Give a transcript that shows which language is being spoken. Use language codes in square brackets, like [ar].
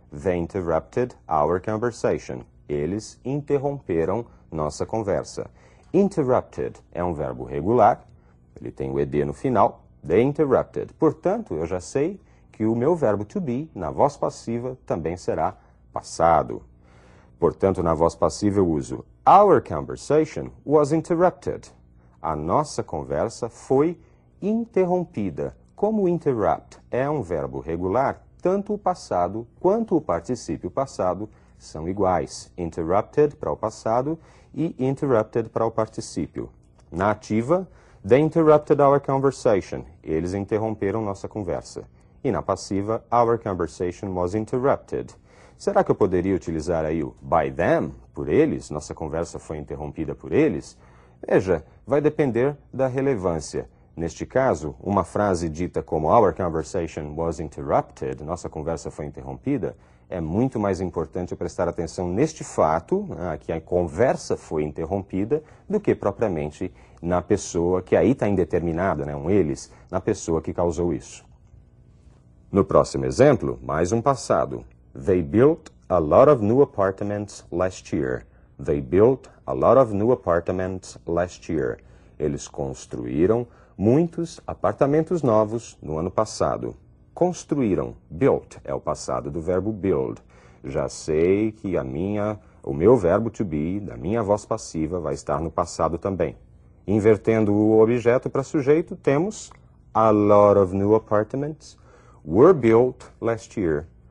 [en] They interrupted our conversation. [pt] Eles interromperam nossa conversa. Interrupted é um verbo regular. Ele tem o ED no final. [en] They interrupted. [pt] Portanto, eu já sei que o meu verbo to be, na voz passiva, também será passado. Portanto, na voz passiva eu uso [en] Our conversation was interrupted. [pt] A nossa conversa foi interrompida. Como interrupt é um verbo regular, tanto o passado quanto o particípio passado são iguais. Interrupted para o passado e interrupted para o participio. Na ativa, [en] they interrupted our conversation. [pt] Eles interromperam nossa conversa. E na passiva, [en] our conversation was interrupted. [pt] Será que eu poderia utilizar aí o [en] by them, [pt] por eles? Nossa conversa foi interrompida por eles? Veja, vai depender da relevância. Neste caso, uma frase dita como [en] our conversation was interrupted, [pt] nossa conversa foi interrompida, é muito mais importante prestar atenção neste fato, né, que a conversa foi interrompida, do que propriamente na pessoa que aí está indeterminada, né, um eles, na pessoa que causou isso. No próximo exemplo, mais um passado. [en] They built a lot of new apartments last year. They built a lot of new apartments last year. [pt] Eles construíram muitos apartamentos novos no ano passado. Construíram. Built é o passado do verbo build. Já sei que o meu verbo to be, da minha voz passiva, vai estar no passado também. Invertendo o objeto para sujeito, temos [en] a lot of new apartments were built last year.